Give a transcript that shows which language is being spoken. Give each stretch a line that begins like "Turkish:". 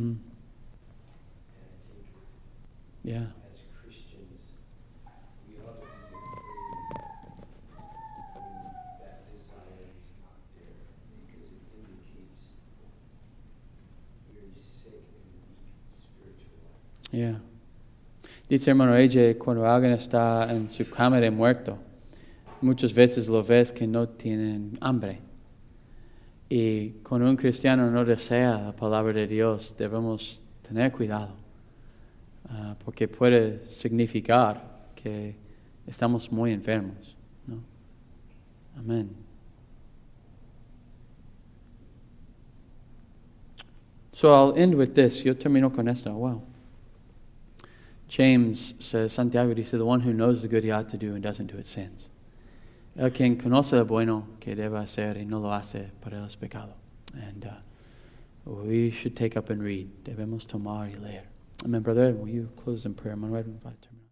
English: And I think as Christians, we ought to be afraid that desire is not there because it indicates very sick and weak spiritual life. Yeah.
Spanish: Dice hermano AJ, cuando alguien está en su cama de muerto, muchas veces lo ves que no tienen hambre. Y cuando un cristiano no desea la palabra de Dios, debemos tener cuidado. Porque puede significar que estamos muy enfermos. ¿No? Amén.
English: So I'll end with this.
Spanish: Yo termino con esto.
English: Wow. James says,
Spanish: Santiago dice,
English: the one who knows the good he ought to do and doesn't do it sins.
Spanish: El quien conoce lo bueno que debe hacer y no lo hace, para él es pecado.
English: And we should take up and read.
Spanish: Debemos tomar y leer.
English: Amen, brother. Will you close in prayer? I'm going to invite you.